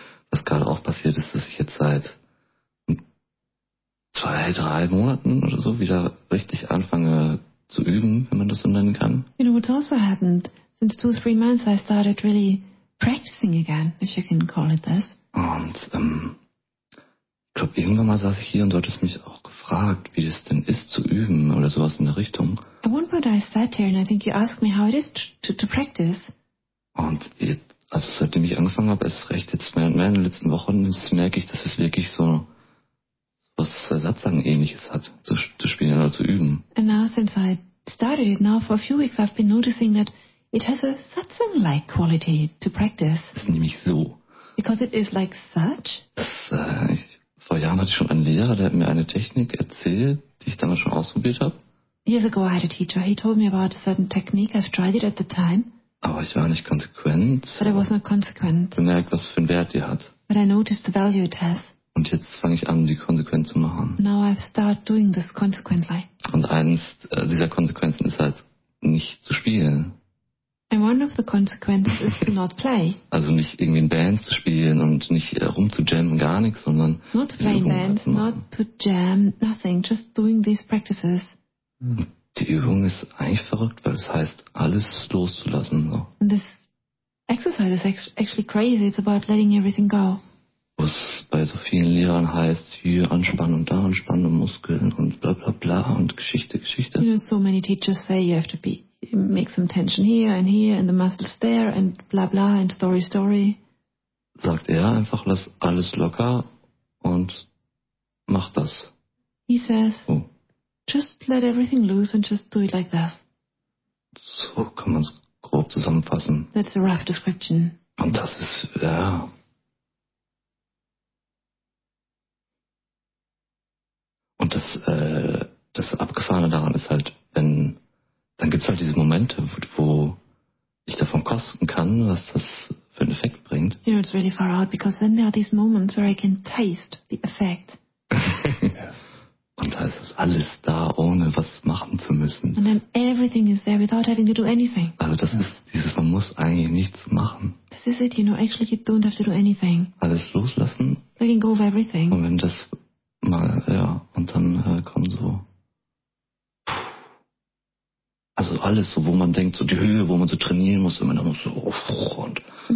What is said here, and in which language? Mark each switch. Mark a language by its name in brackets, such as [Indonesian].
[German] Was gerade auch passiert ist, dass ich jetzt seit 2-3 Monaten oder so wieder richtig anfange zu üben, wenn man das so nennen kann. [English] You know what also happened? Since 2-3 months I started really practicing again, if you can call it this. [German] Und ich glaube, irgendwann mal saß ich hier und dort ist mich auch gefragt, wie das denn ist zu üben oder sowas in der Richtung. [English] I wonder why I sat here and I think you asked me how it is to practice. [German] Und jetzt, also seitdem ich angefangen habe, ist recht jetzt mehr und mehr in den letzten Wochen, jetzt merke ich, dass es wirklich so was Satsang-ähnliches hat, zu spielen oder zu üben. [English] And now since I started it, now for a few weeks I've been noticing that it has a Satsang-like quality to practice. [German] Das ist nämlich so. [English] Because it is like such. [German] Vor Jahren hatte ich schon einen Lehrer, der hat mir eine Technik erzählt, die ich damals schon ausprobiert habe. [English] Years ago I had a teacher. He told me about a certain technique. I've tried it at the time. [German] Aber ich war nicht konsequent. [English] But I was not consequent. [German] Bemerkt, was für einen Wert die hat. [English] But I noticed the value it has. [German] Und jetzt fange ich an, die konsequent zu machen. [English] Now I've started doing this consequently. [German] Und eines dieser Konsequenzen ist halt, nicht zu spielen. [English] And one of the consequences is to not play. [German] Also nicht irgendwie in Bands zu spielen und nicht rumzujammen, gar nichts, sondern [English] not to play in Bands, not to jam, nothing, just doing these practices. [German] Die Übung ist eigentlich verrückt, weil es heißt, alles loszulassen. So. [English] And this exercise is actually crazy, it's about letting everything go. [German] Was bei so vielen Lehrern heißt, hier anspannen und da anspannen und Muskeln und bla bla bla und Geschichte. [English] You know, so many teachers say you have to be make some tension here and here and the muscles there and blah blah and story story. [German] Sagt er einfach, lass alles locker und mach das. [English] He says, just let everything loose and just do it like this. [German] So kann man es grob zusammenfassen. [English] That's a rough description. [German] Und das ist, ja. Und das, das Abgefahrene daran ist halt, wenn, dann gibt es halt diese Momente, wo, wo ich davon kosten kann, was das für einen Effekt bringt. [English] You know, it's really far out, because then there are these moments where I can taste the effect. [German] Und da ist das alles da, ohne was machen zu müssen. [English] And then everything is there without having to do anything. [German] Also das ist dieses, man muss eigentlich nichts machen. [English] This is it, you know, actually you don't have to do anything. [German] Alles loslassen. [English] Letting go of everything. [German] Und wenn das mal, ja, und dann kommt so, also alles so, wo man denkt, so die Höhe, wo man so trainieren muss, und man dann muss so, und